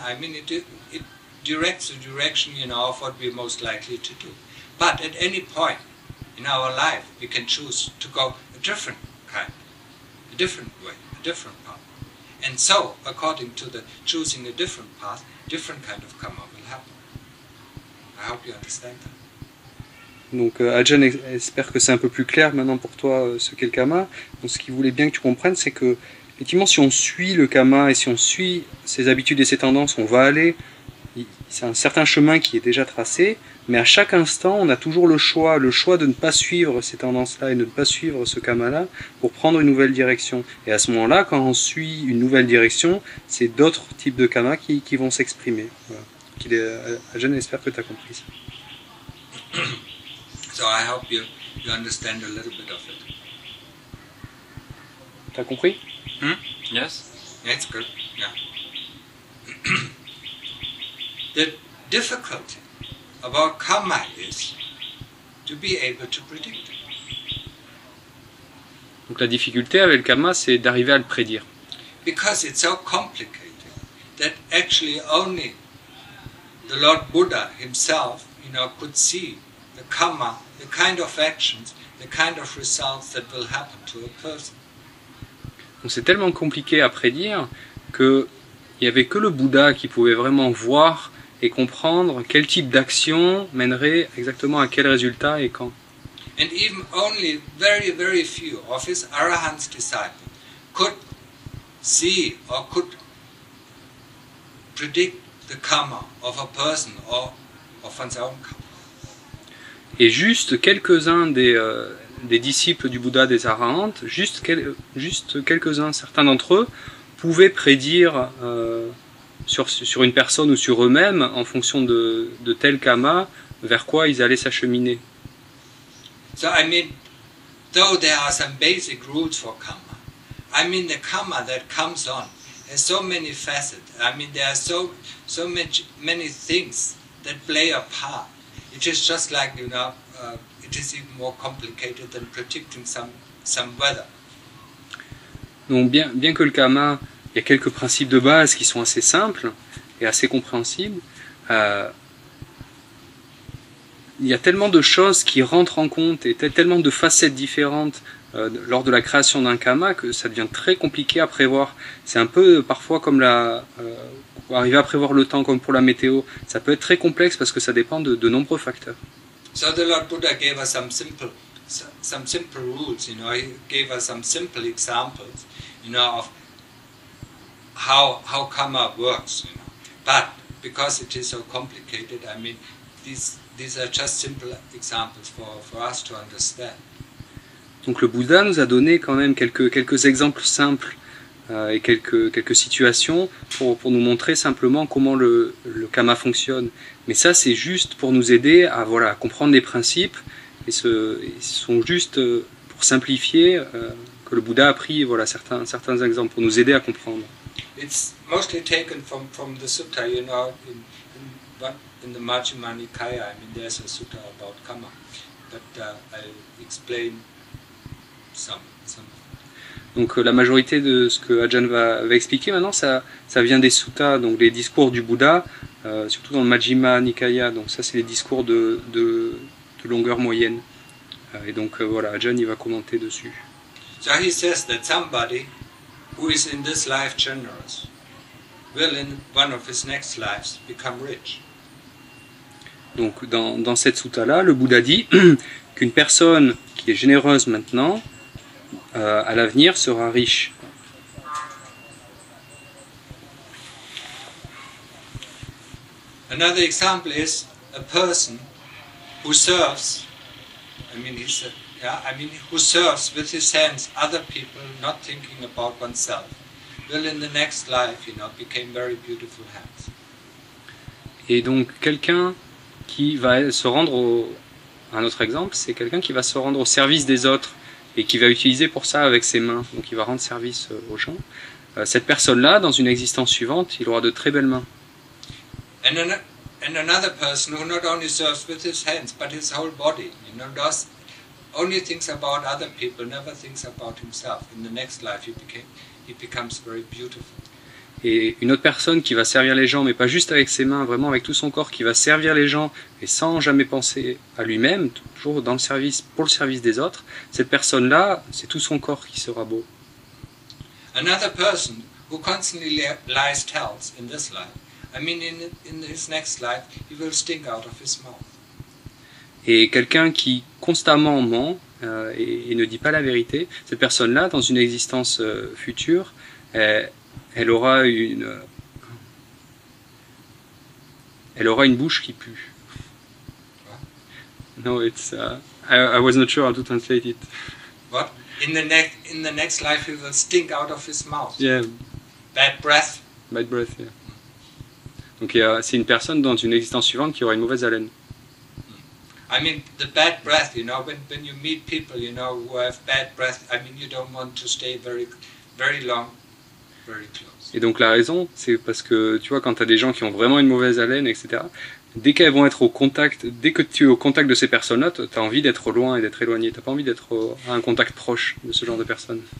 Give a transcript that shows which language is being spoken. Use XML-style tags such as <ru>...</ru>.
<en>I mean, it directs the direction, you know, of what we're most likely to do. But at any point in our life, we can choose to go a different kind, a different way, a different path. And so, according to the choosing a different path, different kind of kamma will happen. I hope you understand that.</en> <fr>Donc Ajahn, espère que c'est un peu plus clair maintenant pour toi ce qu'est le kamma. Donc ce qu'il voulait bien que tu comprennes, c'est que effectivement, si on suit le kamma et si on suit ses habitudes et ses tendances, on va aller, c'est un certain chemin qui est déjà tracé, mais à chaque instant, on a toujours le choix de ne pas suivre ces tendances-là et de ne pas suivre ce kamma-là pour prendre une nouvelle direction. Et à ce moment-là, quand on suit une nouvelle direction, c'est d'autres types de kamma qui vont s'exprimer. Voilà. Ajahn, espère que tu as compris ça.</fr> <en>So I hope you understand a little bit of it.</en> <fr>T'as compris?</fr> <en>Yes. Yeah, it's good. Yeah. The difficulty about kamma is to be able to predict.</en> <fr>Donc la difficulté avec le kamma, c'est d'arriver à le prédire.</fr> <en>Because it's so complicated that actually only the Lord Buddha himself, you know, could see the kamma, the kind of actions, the kind of results that will happen to a person.</en> <fr>Donc c'est tellement compliqué à prédire que il y avait que le Bouddha qui pouvait vraiment voir et comprendre quel type d'action mènerait exactement à quel résultat et quand.</fr> <en>And even only very very few of his arahant disciples could see or could predict the karma of a person or of one's own karma.</en> <fr>Et juste quelques-uns des disciples du Bouddha des Arahants, juste quelques-uns, certains d'entre eux, pouvaient prédire sur une personne ou sur eux-mêmes, en fonction de tel kamma, vers quoi ils allaient s'acheminer.</fr> <en>So I mean, though there are some basic rules for kamma, I mean the kamma that comes on has so many facets, I mean there are so many things that play a part. It is just like, you know, it is even more complicated than predicting some weather.</en> <fr>Donc bien que le kamma, il y a quelques principes de base qui sont assez simples et assez compréhensibles, il y a tellement de choses qui rentrent en compte et tellement de facettes différentes lors de la création d'un kamma que ça devient très compliqué à prévoir. C'est un peu parfois comme la... arriver à prévoir le temps comme pour la météo, ça peut être très complexe parce que ça dépend de nombreux facteurs.</fr> <en>So the Lord Buddha gave us some simple rules, you know, he gave us some simple examples, you know, of how karma works, you know. But because it is so complicated, I mean, these are just simple examples for us to understand.</en> <fr>Donc le Bouddha nous a donné quand même quelques exemples simples et quelques situations pour nous montrer simplement comment le kamma fonctionne. Mais ça, c'est juste pour nous aider à voilà, comprendre les principes, et ce sont juste pour simplifier que le Bouddha a pris voilà, certains exemples pour nous aider à comprendre.</fr> <en>It's mostly taken from the sutta, you know, in the Majjhima Nikaya, I mean, there's a sutta about kamma, but I'll explain some.</en> <fr>Donc la majorité de ce que Ajahn va expliquer maintenant, ça vient des suttas, donc les discours du Bouddha, surtout dans le Majjhima Nikaya. Donc ça, c'est les discours de longueur moyenne. Et donc voilà, Ajahn il va commenter dessus.</fr> <en>So he says that somebody who is in this life generous will in one of his next lives become rich.</en> <fr>Donc dans cette sutta là, le Bouddha dit qu'une personne qui est généreuse maintenant à l'avenir sera riche.</fr> <en>Another example is a person who serves, who serves with his hands other people, not thinking about oneself, will in the next life, you know, become very beautiful hands.</en> <fr>Et donc quelqu'un qui va se rendre un autre exemple, c'est quelqu'un qui va se rendre au service des autres et qui va utiliser pour ça avec ses mains, donc il va rendre service aux gens. Cette personne-là, dans une existence suivante, il aura de très belles mains.</fr> <en>And another person who not only serves with his hands, but his whole body, you know, does only thinks about other people, never thinks about himself. In the next life, he becomes very beautiful.</en> <fr>Et une autre personne qui va servir les gens, mais pas juste avec ses mains, vraiment avec tout son corps, qui va servir les gens, et sans jamais penser à lui-même, toujours dans le service, pour le service des autres, cette personne-là, c'est tout son corps qui sera beau.</fr> <en>Another person who constantly lies tells in this life, I mean in his next life, he will stink out of his mouth.</en> <fr>Et quelqu'un qui constamment ment et ne dit pas la vérité, cette personne-là, dans une existence future, elle aura une bouche qui pue.</fr> <en>No, it's I was not sure how to translate it. What? In the next life he will stink out of his mouth. Yeah. Bad breath, yeah.</en> <fr>Donc c'est une personne dans une existence suivante qui aura une mauvaise haleine.</fr> <en>I mean the bad breath, you know, when you meet people, you know, who have bad breath, I mean you don't want to stay very very long.</en> <fr>Et donc la raison, c'est parce que tu vois, quand tu as des gens qui ont vraiment une mauvaise haleine, etc., dès qu'elles vont être au contact, dès que tu es au contact de ces personnes-là, tu as envie d'être loin et d'être éloigné. Tu n'as pas envie d'être à un contact proche de ce genre de personnes.</fr>